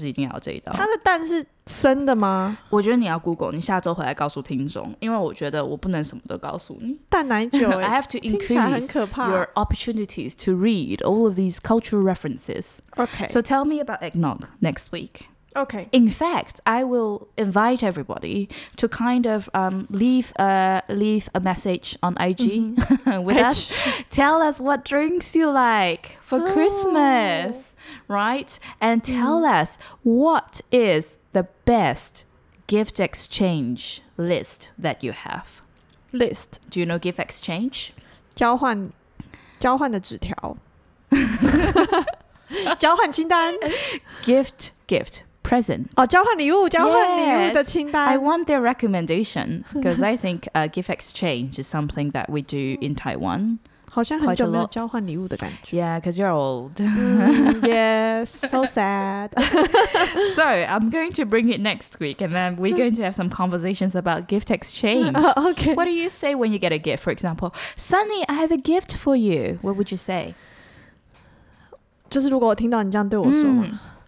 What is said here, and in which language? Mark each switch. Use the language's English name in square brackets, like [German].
[Chinese] 维运什么?它是同一个字啦。它这样很容易背耶。好啦。我觉得它是冬日必备的蛋奶酒。圣诞节的味道就是一定要这一道。它的蛋是生的吗?我觉得你要Google,你下周回来告诉听众, 因为我觉得我不能什么都告诉你。蛋奶酒耶。 [English] I have to increase your opportunities to read all of these cultural references. Okay. So tell me about eggnog next week. Okay. In fact, I will invite everybody to kind of leave a message on IG mm-hmm. with us. Tell us what drinks you like for Christmas, right? And tell us what is the best gift exchange list that you have. List. Do you know gift exchange? [Chinese] 交换的纸条. 交换清单. [English] Gift. Present. [Chinese] Oh, 交换礼物的清单. [English] I want their recommendation because I think gift exchange is something that we do in Taiwan. [Chinese] 好像很久没有交换礼物的感觉. [English] Yeah, because you're old. Yes, so sad. So I'm going to bring it next week and then we're going to have some conversations about gift exchange. Okay. What do you say when you get a gift? For example, Sunny, I have a gift for you. What would you say? [Chinese] 就是如果我听到你这样对我说嘛。